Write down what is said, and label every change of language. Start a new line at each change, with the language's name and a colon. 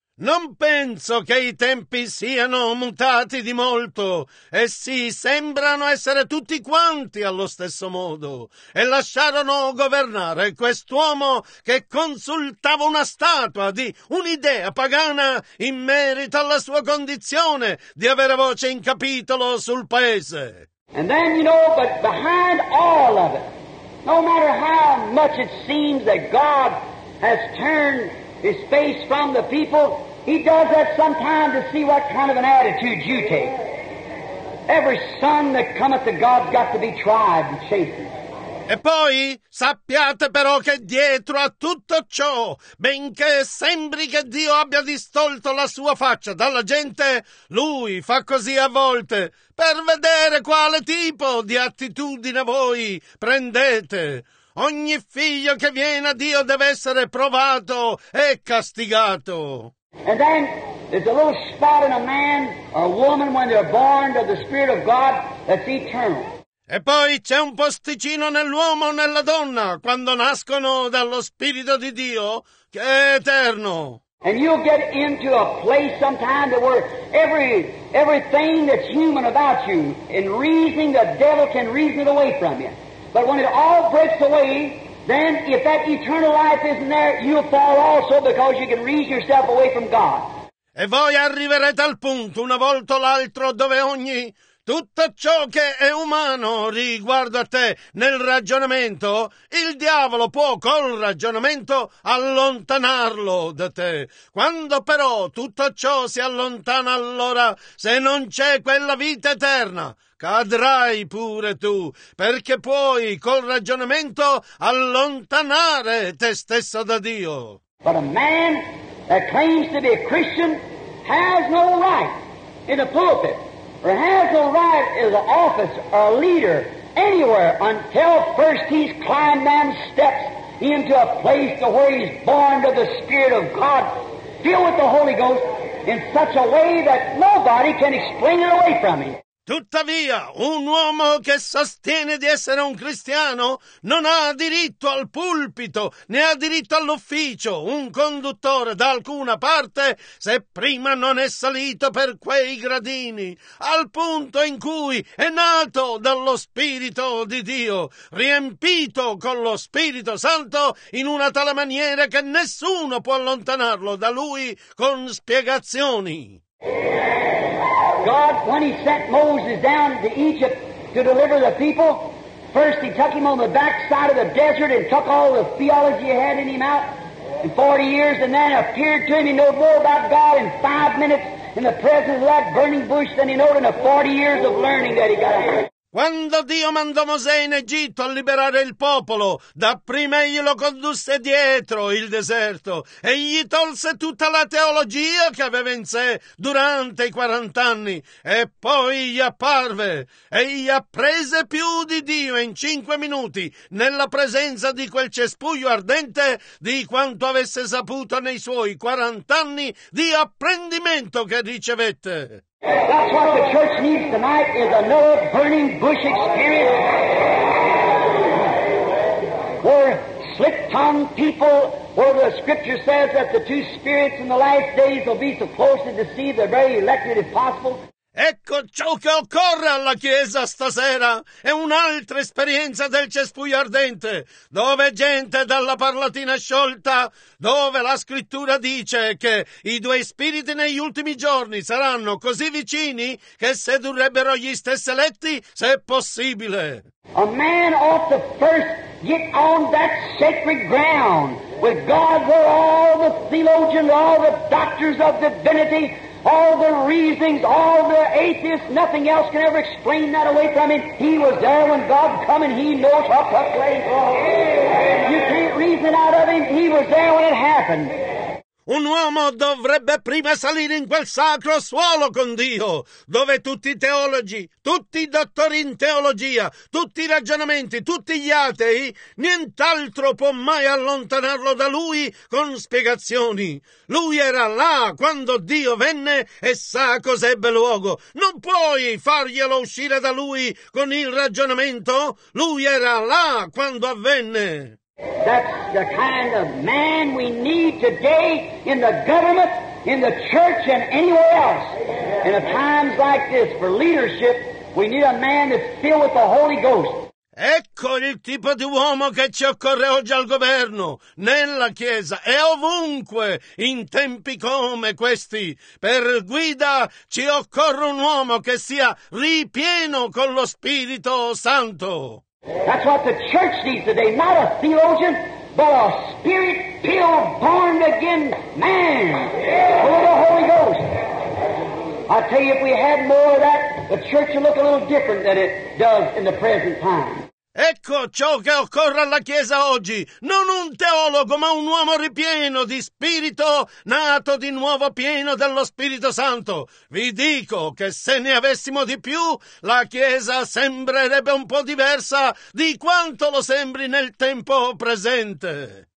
Italian: Non penso che i tempi siano mutati di molto, e sì, sembrano essere tutti quanti allo stesso modo, e lasciarono governare quest'uomo che consultava una statua di un'idea pagana in merito alla sua condizione di avere voce in capitolo sul paese.
English: And then, you know, but behind all of it, no matter how much it seems that God has turned his face from the people, he does that sometimes to see what kind of an attitude you take. Every son that cometh to God's got to be tried and chastened.
Italian: E poi sappiate però che dietro a tutto ciò, benché sembri che Dio abbia distolto la sua faccia dalla gente, lui fa così a volte, per vedere quale tipo di attitudine voi prendete. Ogni figlio che viene a Dio deve essere provato e castigato.
English: And then there's a little spot in a man or a woman when they're born of the Spirit of God that's eternal.
Italian: E poi c'è un posticino nell'uomo o nella donna quando nascono dallo Spirito di Dio che è eterno.
English: And you'll get into a place sometime that where everything that's human about you, in reasoning, the devil can reason it away from you. But when it all breaks away, then if that eternal life isn't there, you'll fall also because you can reason yourself away from God.
Italian: E voi arriverete al punto, una volta o l'altro, dove ogni tutto ciò che è umano riguardo a te nel ragionamento, il diavolo può col ragionamento allontanarlo da te. Quando però tutto ciò si allontana, allora se non c'è quella vita eterna, cadrai pure tu, perché puoi col ragionamento allontanare te stesso da Dio.
English: But a man that claims to be a Christian has no right in a pulpit. Or has no right as an office or a leader anywhere until first he's climbed down steps into a place to where he's born of the Spirit of God, filled with the Holy Ghost in such a way that nobody can explain it away from him.
Italian: Tuttavia, un uomo che sostiene di essere un cristiano non ha diritto al pulpito, né ha diritto all'ufficio, un conduttore da alcuna parte, se prima non è salito per quei gradini, al punto in cui è nato dallo Spirito di Dio, riempito con lo Spirito Santo in una tale maniera che nessuno può allontanarlo da lui con spiegazioni.
English: God, when he sent Moses down to Egypt to deliver the people, first he took him on the backside of the desert and took all the theology he had in him out in 40 years, and then appeared to him. He knew more about God in 5 minutes in the presence of that burning bush than he knew in the 40 years of learning that he got out of it.
Italian: Quando Dio mandò Mosè in Egitto a liberare il popolo, dapprima egli lo condusse dietro il deserto e gli tolse tutta la teologia che aveva in sé durante i 40 anni, e poi gli apparve e gli apprese più di Dio in 5 minuti nella presenza di quel cespuglio ardente di quanto avesse saputo nei suoi 40 anni di apprendimento che ricevette.
English: That's what the church needs tonight, is another burning bush experience where slick-tongued people, where the Scripture says that the two spirits in the last days will be so close to deceive the very elected if possible.
Italian: Ecco ciò che occorre alla Chiesa stasera, è un'altra esperienza del cespuglio ardente, dove gente dalla parlatina sciolta, dove la Scrittura dice che i due spiriti negli ultimi giorni saranno così vicini che sedurrebbero gli stessi eletti, se possibile.
English: A man ought to first get on that sacred ground with God, where all the theologians, all the doctors of divinity, all the reasonings, all the atheists, nothing else can ever explain that away from him. He was there when God come and he knows what took place. You can't reason out of him. He was there when it happened.
Italian: Un uomo dovrebbe prima salire in quel sacro suolo con Dio, dove tutti i teologi, tutti i dottori in teologia, tutti i ragionamenti, tutti gli atei, nient'altro può mai allontanarlo da lui con spiegazioni. Lui era là quando Dio venne e sa cos'ebbe luogo. Non puoi farglielo uscire da lui con il ragionamento. Lui era là quando avvenne.
English: That's the kind of man we need today in the government in the church and anywhere else. In a times like this, for leadership, we need a man that's filled with the Holy Ghost.
Italian: Ecco il tipo di uomo che ci occorre oggi al governo, nella Chiesa e ovunque, in tempi come questi. Per guida ci occorre un uomo che sia ripieno con lo Spirito Santo.
English: That's what the church needs today, not a theologian, but a spirit-filled, born-again man, full of the Holy Ghost. I tell you, if we had more of that, the church would look a little different than it does in the present time.
Italian: Ecco ciò che occorre alla Chiesa oggi, non un teologo ma un uomo ripieno di spirito, nato di nuovo pieno dello Spirito Santo. Vi dico che se ne avessimo di più, la Chiesa sembrerebbe un po' diversa di quanto lo sembri nel tempo presente.